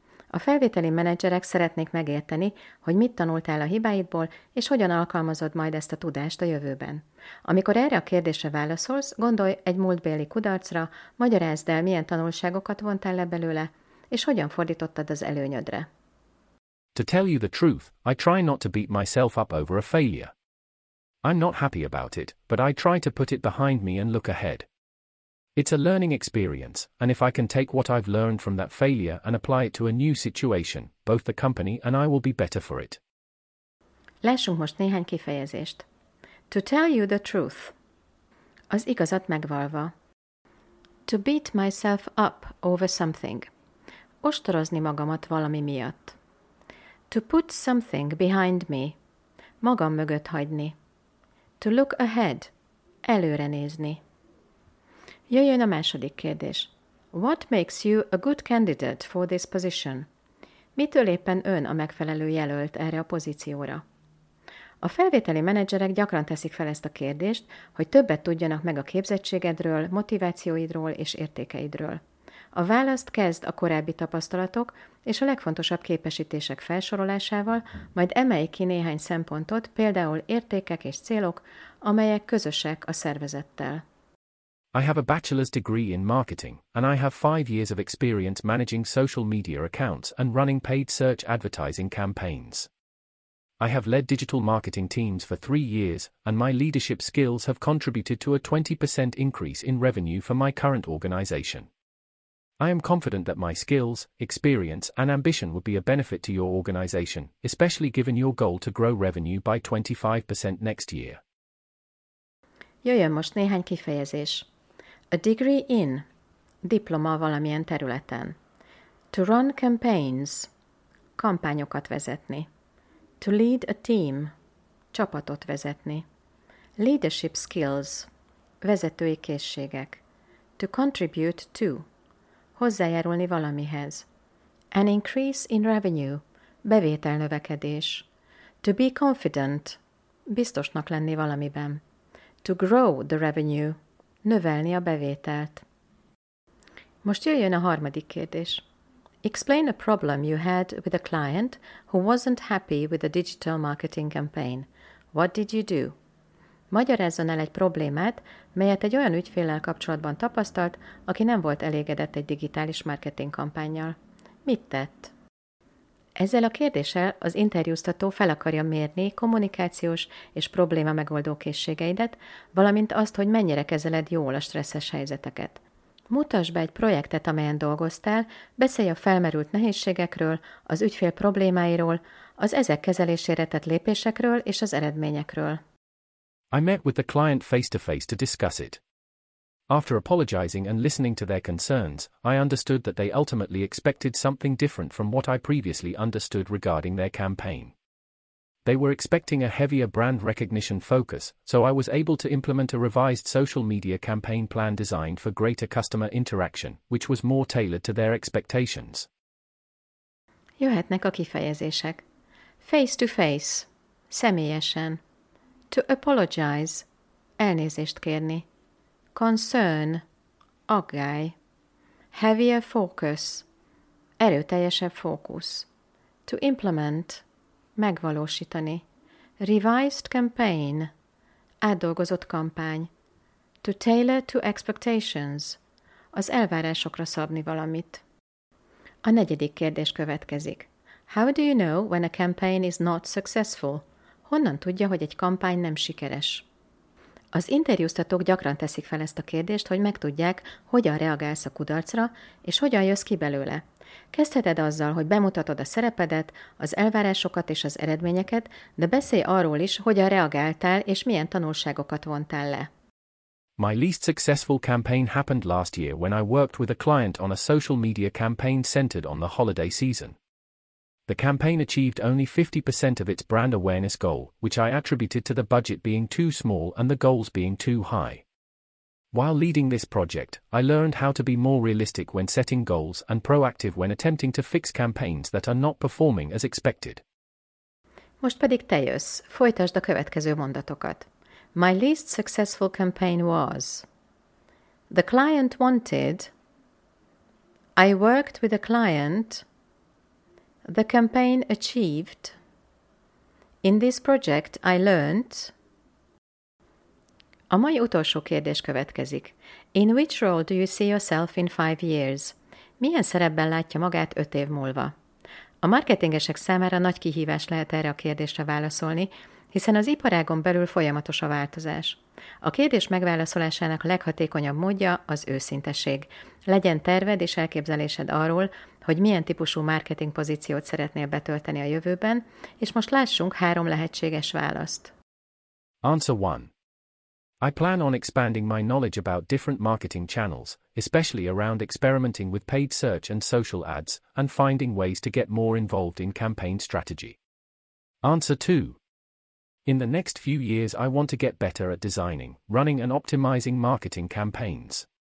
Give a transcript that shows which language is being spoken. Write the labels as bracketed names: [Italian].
[Hungarian] A felvételi menedzserek szeretnék megérteni, hogy mit tanultál a hibáidból, és hogyan alkalmazod majd ezt a tudást a jövőben. Amikor erre a kérdésre válaszolsz, gondolj egy múltbéli kudarcra, magyarázd el, milyen tanulságokat vontál le belőle, és hogyan fordítottad az előnyödre? [English] To tell you the truth, I try not to beat myself up over a failure. I'm not happy about it, but I try to put it behind me and look ahead. It's a learning experience, and if I can take what I've learned from that failure and apply it to a new situation, both the company and I will be better for it. [Hungarian] Lássunk most néhány kifejezést. [English] To tell you the truth. [Hungarian] Az igazat megvalva. [English] To beat myself up over something. [Hungarian] Ostorozni magamat valami miatt. [English] To put something behind me. [Hungarian] Magam mögött hagyni. [English] To look ahead. [Hungarian] Előre nézni. Jöjjön a második kérdés. [English] What makes you a good candidate for this position? [Hungarian] Mitől éppen ön a megfelelő jelölt erre a pozícióra? A felvételi menedzserek gyakran teszik fel ezt a kérdést, hogy többet tudjanak meg a képzettségedről, motivációidról és értékeidről. A választ kezd a korábbi tapasztalatok és a legfontosabb képesítések felsorolásával, majd emelj ki néhány szempontot, például értékek és célok, amelyek közösek a szervezettel. [English] I have a bachelor's degree in marketing, and I have 5 years of experience managing social media accounts and running paid search advertising campaigns. I have led digital marketing teams for 3 years, and my leadership skills have contributed to a 20% increase in revenue for my current organization. I am confident that my skills, experience, and ambition would be a benefit to your organization, especially given your goal to grow revenue by 25% next year. [Hungarian] Jöjjön most néhány kifejezés. [English] A degree in, [Hungarian] diploma valamilyen területen. [English] To run campaigns, [Hungarian] kampányokat vezetni. [English] To lead a team, [Hungarian] csapatot vezetni. [English] Leadership skills, [Hungarian] vezetői készségek. [English] To contribute to, [Hungarian] hozzájárulni valamihez. [English] An increase in revenue, [Hungarian] bevételnövekedés. [English] To be confident, [Hungarian] biztosnak lenni valamiben. [English] To grow the revenue, [Hungarian] növelni a bevételt. Most jöjjön a harmadik kérdés. [English] Explain a problem you had with a client who wasn't happy with a digital marketing campaign. What did you do? [Hungarian] Magyarázzon el egy problémát, melyet egy olyan ügyféllel kapcsolatban tapasztalt, aki nem volt elégedett egy digitális marketing kampánnyal. Mit tett? Ezzel a kérdéssel az interjúztató fel akarja mérni kommunikációs és probléma megoldó készségeidet, valamint azt, hogy mennyire kezeled jól a stresszes helyzeteket. Mutasd be egy projektet, amelyen dolgoztál, beszélj a felmerült nehézségekről, az ügyfél problémáiról, az ezek kezelésére tett lépésekről és az eredményekről. [English] I met with the client face to face to discuss it. After apologizing and listening to their concerns, I understood that they ultimately expected something different from what I previously understood regarding their campaign. They were expecting a heavier brand recognition focus, so I was able to implement a revised social media campaign plan designed for greater customer interaction, which was more tailored to their expectations. [Hungarian] Jöhetnek a kifejezések. [English] Face to face. [Hungarian] Személyesen. [English] To apologize. [Hungarian] Elnézést kérni. [English] Concern. [Hungarian] Aggály. [English] Heavier focus. [Hungarian] Erőteljesebb fókusz. [English] To implement. [Hungarian] Megvalósítani. [English] Revised campaign. [Hungarian] Átdolgozott kampány. [English] To tailor to expectations. [Hungarian] Az elvárásokra szabni valamit. A negyedik kérdés következik. [English] How do you know when a campaign is not successful? [Hungarian] Honnan tudja, hogy egy kampány nem sikeres? Az interjúztatók gyakran teszik fel ezt a kérdést, hogy megtudják, hogyan reagálsz a kudarcra, és hogyan jössz ki belőle. Kezdheted azzal, hogy bemutatod a szerepedet, az elvárásokat és az eredményeket, de beszélj arról is, hogyan reagáltál és milyen tanulságokat vontál le. [English] My least successful campaign happened last year when I worked with a client on a social media campaign centered on the holiday season. The campaign achieved only 50% of its brand awareness goal, which I attributed to the budget being too small and the goals being too high. While leading this project, I learned how to be more realistic when setting goals and proactive when attempting to fix campaigns that are not performing as expected. [Hungarian] Most pedig te jössz. Folytasd a következő mondatokat. [English] My least successful campaign was... The client wanted... I worked with a client... The campaign achieved... In this project I learned... [Hungarian] A mai utolsó kérdés következik. [English] In which role do you see yourself in 5 years? [Hungarian] Milyen szerepben látja magát 5 év múlva? A marketingesek számára nagy kihívás lehet erre a kérdésre válaszolni, hiszen az iparágon belül folyamatos a változás. A kérdés megválaszolásának leghatékonyabb módja az őszinteség. Legyen terved és elképzelésed arról, hogy milyen típusú marketing pozíciót szeretnél betölteni a jövőben, és most lássunk 3 lehetséges választ. [English] Answer 1. I plan on expanding my knowledge about different marketing channels, especially around experimenting with paid search and social ads, and finding ways to get more involved in campaign strategy. Answer 2. In the next few years I want to get better at designing, running and optimizing marketing campaigns.